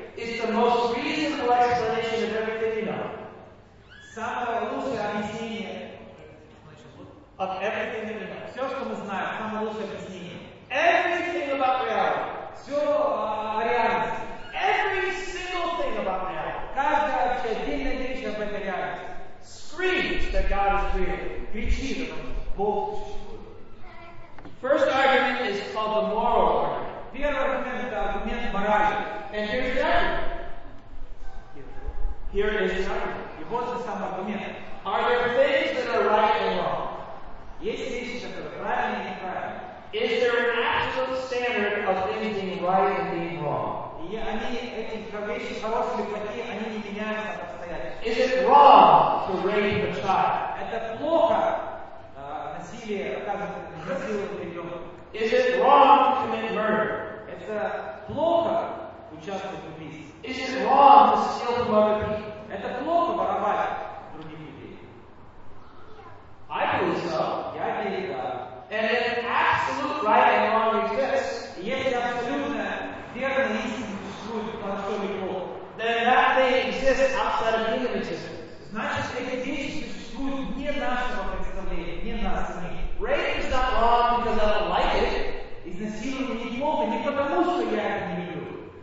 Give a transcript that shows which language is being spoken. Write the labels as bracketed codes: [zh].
[en] is the most reasonable explanation of everything you know. [ru] Самое лучшее объяснение [en] of everything that we know. [ru] Все, что мы знаем, самое лучшее объяснение. [en] Everything about reality. [ru] Все о реальности. [en] Every single thing about reality. [ru] Каждая вообще отдельная вещь об этой реальности. [en] Screams that God is real. [ru] Кричит, что Бог существует. [en] First argument is called the moral argument. [ru] Первый аргумент — это аргумент морали. [en] And here's the argument. Here is the argument. [ru] И вот же сам аргумент. [en] Are there things that are right and wrong? [ru] Есть вещи, которые правильные и неправильные. [en] Is there an actual standard of things being right and being wrong? [ru] И они, эти вещи, хорошие или плохие, они не меняются постоянно. [en] Is it wrong to rape a child? [ru] Это плохо. Насилие, оказывается, насилует ребенка. [en] Is it wrong to commit murder? [ru] Это плохо участвовать в убийстве. [en] Is it wrong to steal from other people? [ru] Это плохо воровать других людей. [en] I believe so. [ru] Я верю, да. [en] And if absolute right and wrong exists, [ru] если абсолютно верно истинно существует хорошо или плохо, [en] then that thing exists outside of human existence. [ru] Значит, эти вещи существуют вне нашего представления, вне нас самих. [en] Rape is not wrong because I don't like it. [ru] Изнасилование не плохо, не потому, что я это не люблю.